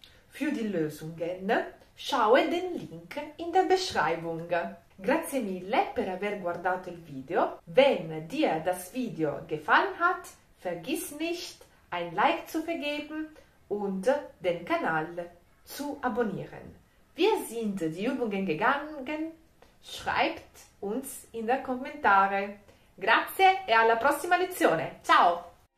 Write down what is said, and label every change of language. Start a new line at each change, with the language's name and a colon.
German: Für die Lösungen schaue den Link in der Beschreibung.
Italian: Grazie mille per aver guardato il video.
German: Wenn dir das Video gefallen hat, vergiss nicht, ein Like zu vergeben und den Kanal zu abonnieren. Wir sind die Übungen gegangen. Schreibt uns in der Kommentare.
Italian: Grazie e alla prossima lezione. Ciao!